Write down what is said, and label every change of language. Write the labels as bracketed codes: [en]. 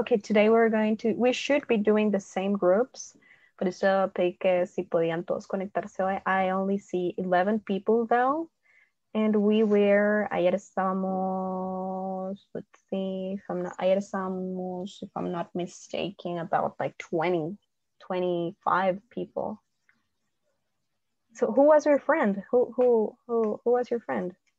[en] Okay, today we should be doing the same groups. [es] Por eso pedí que si podían todos conectarse hoy. [en] I only see 11 people though. And we were, [es] ayer estamos, [en] if I'm not mistaken, about like 20, 25 people. So who was your friend? Who was your friend?